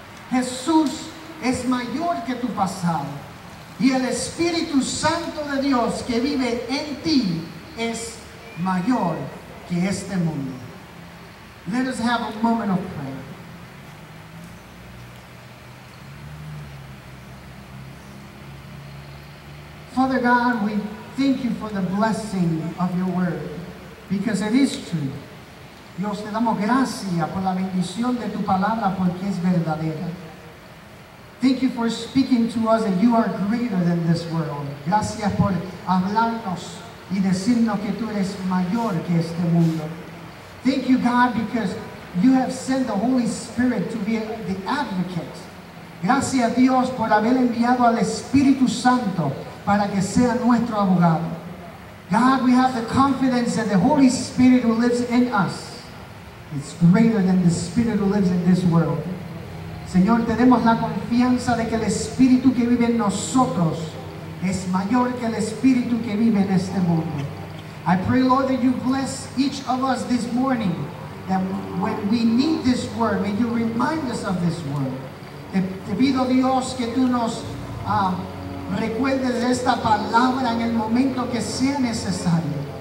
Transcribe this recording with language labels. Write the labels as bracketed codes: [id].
[es] Jesús es mayor que tu pasado. Y el Espíritu Santo de Dios que vive en ti es mayor que este mundo. [en] Let us have a moment of prayer. Father God, we thank you for the blessing of your word, because it is true. [es] Dios, te damos gracias por la bendición de tu palabra, porque es verdadera. [en] Thank you for speaking to us that you are greater than this world. [es] Gracias por hablarnos y decirnos que tú eres mayor que este mundo. [en] Thank you, God, because you have sent the Holy Spirit to be the advocate. [es] Gracias, Dios, por haber enviado al Espíritu Santo para que sea nuestro abogado. [en] God, we have the confidence that the Holy Spirit who lives in us is greater than the Spirit who lives in this world. [es] Señor, tenemos la confianza de que el Espíritu que vive en nosotros es mayor que el Espíritu que vive en este mundo. [en] I pray, Lord, that you bless each of us this morning, that when we need this word, may you remind us of this word. [es] Te pido, Dios, que tú nos recuerde de esta palabra en el momento que sea necesario.